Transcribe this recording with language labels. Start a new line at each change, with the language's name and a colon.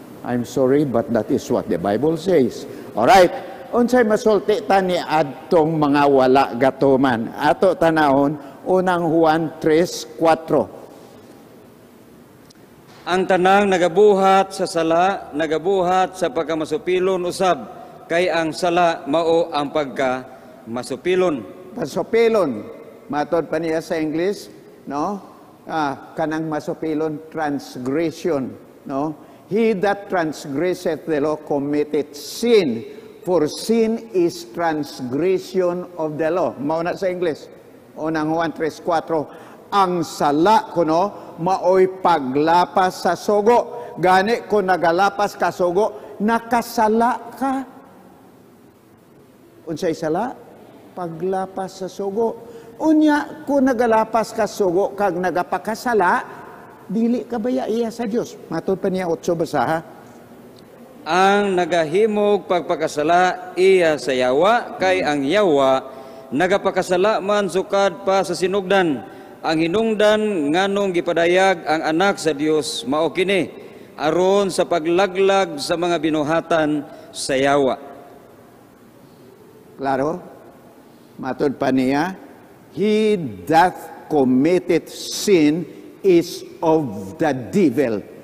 English: I'm sorry, but that is what the Bible says. Alright.
Cebuano: Unsay masulti tani adtong mga wala gatuman? Ato tanahon, unang Juan 3:4. Ang tanang nagabuhat sa sala, nagabuhat sa pagkamasupilon usab, kay ang sala mao ang pagkamasupilon. Masupilon. Matod pa niya sa English, no? Kanang masupilon, transgression, no?
English: He that transgresseth the law committed sin. For sin is transgression of the law.
Cebuano: Mauna sa English. Unang Juan 3:4. Ang sala kuno maoy paglapas sa sugo. Gani kung nagalapas ka sugo, nakasala ka. Unsay sala? Paglapas sa sugo. Unya kung nagalapas ka sugo kag nagapakasala, dili ka baya iya sa Dios. Matod pa niya 8 basa ha. Ang nagahimog pagpakasala iya sa yawa, kay ang yawa nagapakasala man sukad pa sa sinugdan. Ang hinungdan nganong gipadayag ang anak sa Dios mao kini aron sa paglaglag sa mga binuhatan sa yawa. Klaro, matod pa niya,
English: he that committed sin is of the devil.